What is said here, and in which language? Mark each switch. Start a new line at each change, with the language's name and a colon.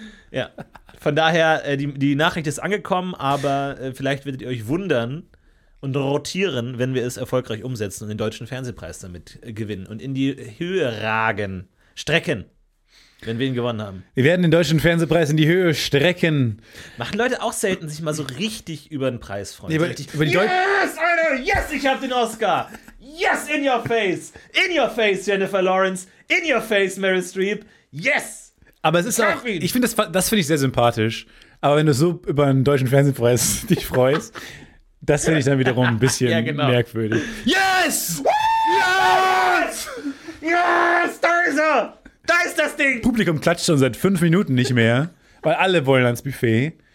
German: Ja, von daher, die Nachricht ist angekommen, aber vielleicht werdet ihr euch wundern und rotieren, wenn wir es erfolgreich umsetzen und den deutschen Fernsehpreis damit gewinnen und in die Höhe ragen, strecken, wenn wir ihn gewonnen haben. Wir werden den deutschen Fernsehpreis in die Höhe strecken. Machen Leute auch selten sich mal so richtig über den Preis freuen. Nee, über die yes, Alter, yes, ich hab den Oscar!
English: Yes, in your face, Jennifer Lawrence, in your face, Meryl Streep, yes.
German: Aber es ist auch, ich finde das finde ich sehr sympathisch. Aber wenn du so über einen deutschen Fernsehpreis dich freust, das finde ich dann wiederum ein bisschen merkwürdig.
English: Yes! Yes! Yes!
German: Da ist er! Da ist das Ding! Publikum klatscht schon seit 5 Minuten nicht mehr, weil alle wollen ans Buffet.